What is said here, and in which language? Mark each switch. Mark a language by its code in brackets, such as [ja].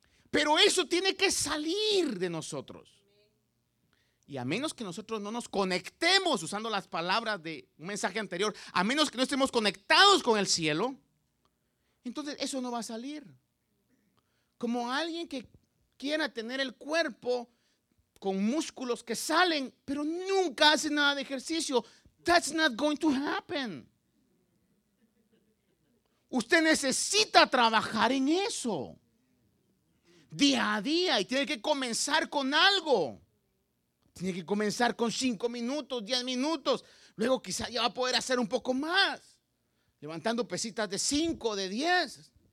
[es] Pero eso tiene que salir de nosotros. Y a menos que nosotros no nos conectemos, usando las palabras de un mensaje anterior, a menos que no estemos conectados con el cielo, entonces eso no va a salir. Como alguien que quiera tener el cuerpo con músculos que salen, pero nunca hace nada de ejercicio. [en] That's not going to happen. [es] Usted necesita trabajar en eso día a día y tiene que comenzar con algo. Tiene que comenzar con 5 minutos, 10 minutos. Luego quizá ya va a poder hacer un poco más, levantando pesitas de 5, de 10.